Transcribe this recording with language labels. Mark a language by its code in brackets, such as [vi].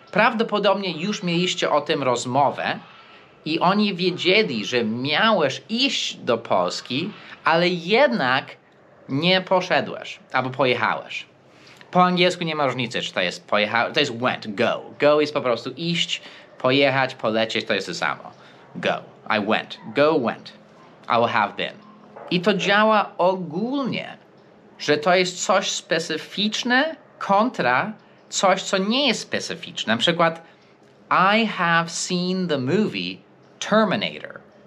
[pl] Prawdopodobnie już mieliście o tym rozmowę i oni wiedzieli, że miałeś iść do Polski, ale jednak nie poszedłeś albo pojechałeś. Po angielsku nie ma różnicy, czy to jest pojechałeś, to jest went, go. Go jest po prostu iść, pojechać, polecieć, to jest to samo. [en] Go, I went, go went, I will have been. [pl] I to działa ogólnie, że to jest coś specyficzne kontra coś, co nie jest specyficzne. Na przykład, [en] I have seen the movie Terminator.